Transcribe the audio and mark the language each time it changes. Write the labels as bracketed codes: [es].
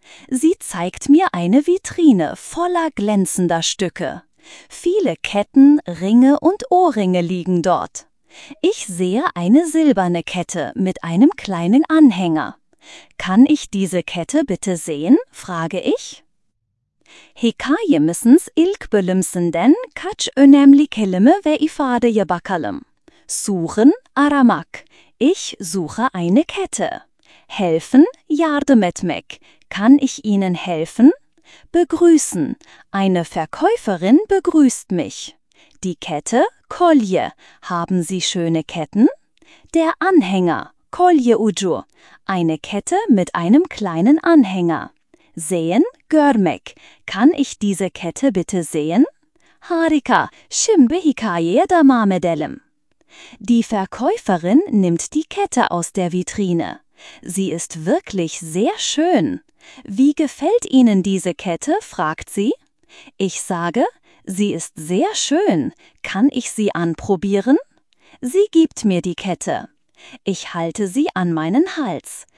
[de] Sie zeigt mir eine Vitrine voller glänzender Stücke. Viele Ketten, Ringe und Ohrringe liegen dort. Ich sehe eine silberne Kette mit einem kleinen Anhänger. Kann ich diese Kette bitte sehen? Frage ich. [tr] Hekajemissens ilk bölümsünden kaç önemli kelime ve ifadeye bakalım. [de] Suchen, [tr] aramak. [de] Ich suche eine Kette. Helfen, [tr] yardım etmek. [de] Kann ich Ihnen helfen? Begrüßen. Eine Verkäuferin begrüßt mich. Die Kette, [tr] kolye. [de] Haben Sie schöne Ketten? Der Anhänger, [tr] kolye ucu. [de] Eine Kette mit einem kleinen Anhänger. Sehen, [tr] görmek. [de] Kann ich diese Kette bitte sehen? [tr] Harika. Şimdi hikayeye devam edelim. [de] Die Verkäuferin nimmt die Kette aus der Vitrine. Sie ist wirklich sehr schön. Wie gefällt Ihnen diese Kette? Fragt sie. Ich sage, sie ist sehr schön. Kann ich sie anprobieren? Sie gibt mir die Kette. Ich halte sie an meinen Hals.